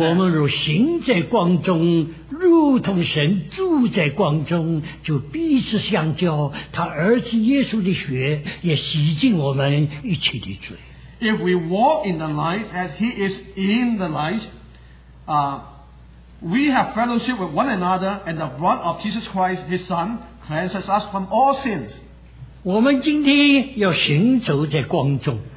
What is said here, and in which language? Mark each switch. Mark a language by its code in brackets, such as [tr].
[zh] 我们如行在光中, 如同神住在光中, 就彼此相交, 祂儿子耶稣的血也洗净我们一切的罪。 [en] If we walk in the light as He is in the light, we have fellowship with one another, and the blood of Jesus Christ, His Son, cleanses us from all sins. [zh] 我们今天要行走在光中,